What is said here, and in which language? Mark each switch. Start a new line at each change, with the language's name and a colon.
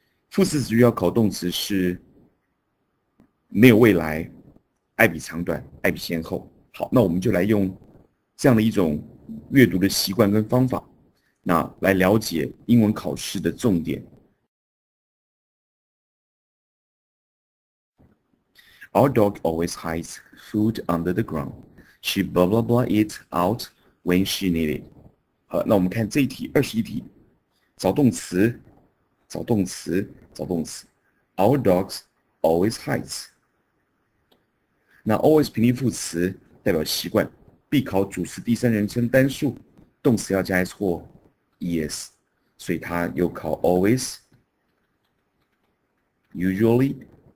Chinese: 副词子句要考动词是没有未来，爱比长短，爱比先后。好，那我们就来用这样的一种阅读的习惯跟方法，那来了解英文考试的重点。
English: Our dog always hides food under the ground. She blah blah blah it out when she need it.
Chinese: 好，那我们看这一题，21题，找动词，找动词，找动词。
English: Our dogs always hides.
Chinese: 那 always 平定副词，代表习惯，必考主词第三人称单数，动词要加 s 或 es，所以它又考 always, usually。